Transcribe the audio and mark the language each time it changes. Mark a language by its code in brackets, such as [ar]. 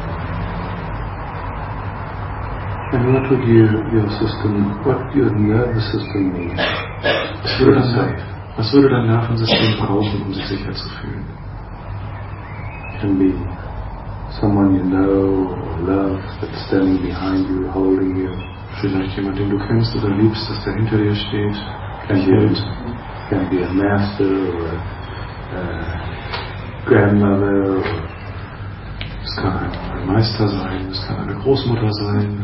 [en] And what would what your nervous system need? [de] Was würde dein Nervensystem brauchen, um sich sicher zu fühlen? [en] It can be someone you know or love that's standing behind you, holding you. [de] Vielleicht jemand, den du kennst oder liebst, dass der hinter dir steht. [en] Can be a master or a grandmother or [de] es kann ein Meister sein, es kann eine Großmutter sein,